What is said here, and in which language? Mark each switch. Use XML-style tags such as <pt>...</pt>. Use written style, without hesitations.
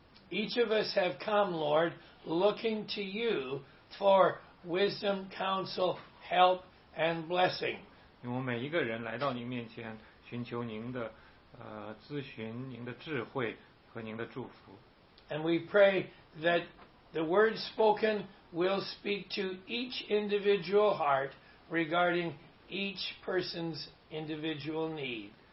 <en>Each of us have come, Lord, looking to you for wisdom, counsel, help, and blessing.</en> <zh>我们每一个人来到您面前，寻求您的咨询、您的智慧和您的祝福。</zh> <en>And we pray that the word spoken will speak to each individual heart regarding each person's individual need.</en>